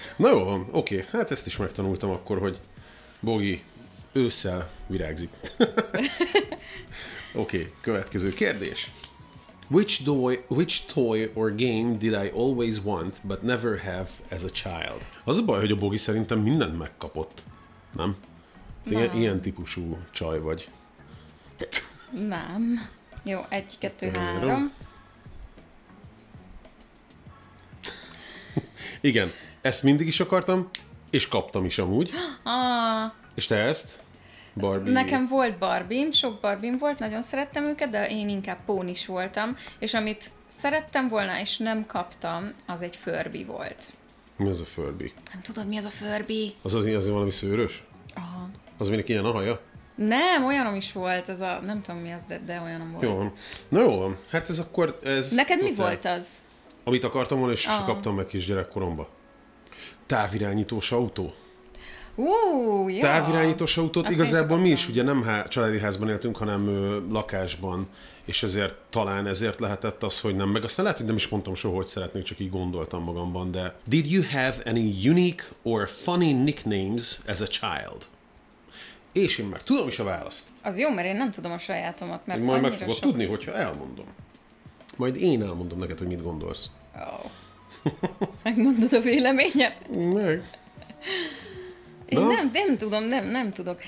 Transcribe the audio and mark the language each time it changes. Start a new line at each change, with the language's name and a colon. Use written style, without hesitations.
Hungarian: Na jó, oké, hát ezt is megtanultam akkor, hogy Bogi ősszel virágzik. Oké, következő kérdés.
English: Which toy or game did I always want, but never have as a child?
Hungarian: Az a baj, hogy a Bogi szerintem mindent megkapott, nem? Ilyen típusú csaj vagy. Nem. Jó, egy, kettő, három. Igen, ezt mindig is akartam, és kaptam is amúgy. És te ezt? Barbie. Nekem volt Barbie-m, sok Barbie-m volt, nagyon szerettem őket, de én inkább pónis voltam. És amit szerettem volna, és nem kaptam, az egy Furby volt. Mi az a Furby? Nem tudod, mi az a Furby? Az valami szőrös? Aha. Az aminek ilyen a haja? Nem, olyanom is volt, ez a, nem tudom mi az, de olyanom volt. Jó, na jó, hát ez akkor... Ez neked mi volt az? Amit akartam volna, és kaptam meg kisgyerekkoromba. Távirányítós autó. Távirányítós autót, azt igazából mi is, ugye nem családi házban éltünk, hanem lakásban, és ezért talán ezért lehetett az, hogy nem. Meg aztán lehet, hogy nem is mondtam soha, hogy szeretnék, csak így gondoltam magamban, de...
English: Did you have any unique or funny nicknames as a child?
Hungarian: És én már tudom is a választ. Az jó, mert én nem tudom a sajátomat, mert majd meg fogod tudni, hogyha elmondom. Majd én elmondom neked, hogy mit gondolsz. Oh. Megmondod a véleményem? Meg. Én nem tudom, nem tudok.